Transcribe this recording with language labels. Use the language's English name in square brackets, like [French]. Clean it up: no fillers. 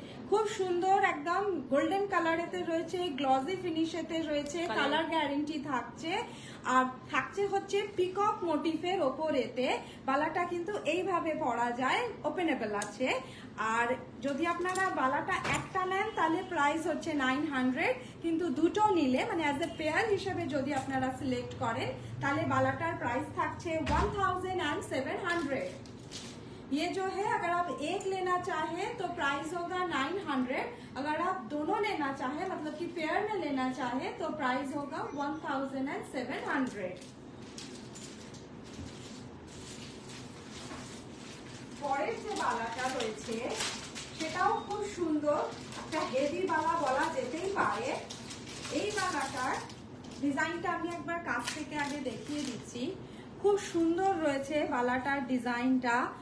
[Bangla] খুব সুন্দর, একদম গোল্ডেন কালারেতে রয়েছে, গ্লসি ফিনিশেতে রয়েছে, কালার গ্যারান্টি থাকছে, আর থাকছে হচ্ছে পিকক মোটিফের ওপরেতে, বালাটা কিন্তু এইভাবে পরা যায়, ওপেনেবল আছে। আর যদি আপনারা বালাটা একটা নেন তাহলে প্রাইস হচ্ছে 900, কিন্তু দুটো নিলে মানে [English] as a pair [Bangla] হিসেবে যদি আপনারা সিলেক্ট করেন তাহলে বালাটার প্রাইস থাকছে 1700। [Hindi] ये जो है अगर आप एक लेना चाहें तो प्राइस होगा 900, अगर आप दोनों लेना चाहें मतलब कि पेयर में लेना चाहें तो प्राइस होगा 1700। [Bangla] পরের যে বালাটা রয়েছে সেটাও খুব সুন্দর, একটা হেভি বালা বলা যেতেই পারে। এই বালাটার ডিজাইনটা আমি একবার কাছ থেকে আগে দেখিয়ে দিচ্ছি, খুব সুন্দর রয়েছে বালাটার ডিজাইনটা।